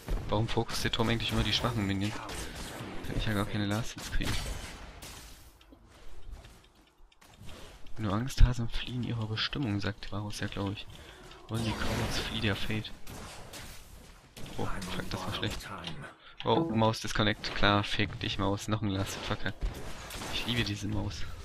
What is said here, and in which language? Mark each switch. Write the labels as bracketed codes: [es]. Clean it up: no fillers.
[de] Warum fokussiert der Turm eigentlich immer die schwachen Minions? Kann ich ja gar keine Last Hits kriegen. Nur Angsthasen fliehen ihrer Bestimmung, sagt Varus ja, glaube ich. [en] Only Cowards flee their fate. [de] Oh, fuck, das war schlecht. Oh, Maus Disconnect. Klar, fick dich, Maus. Noch ein Last Hit, fucker. Ich liebe diese Maus.